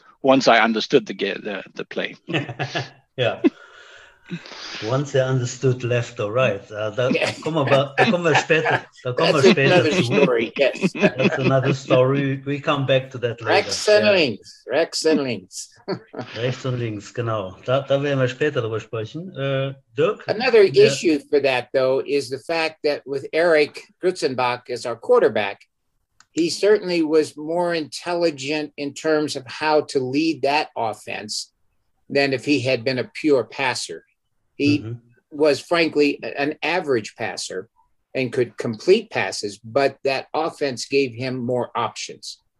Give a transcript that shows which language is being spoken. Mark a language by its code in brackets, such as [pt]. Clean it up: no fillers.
[en] Once I understood the play. Yeah. Once I understood left or right. [de] Da kommen wir später. [en] That's another story, yes. That's another story. We come back to that later. [de] Rechts and links. Rechts und links, genau. Da werden wir später drüber sprechen. Dirk? [en] Another issue for that, though, is the fact that with Eric Grützenbach as our quarterback, he certainly was more intelligent in terms of how to lead that offense than if he had been a pure passer. He was, frankly, an average passer and could complete passes, but that offense gave him more options.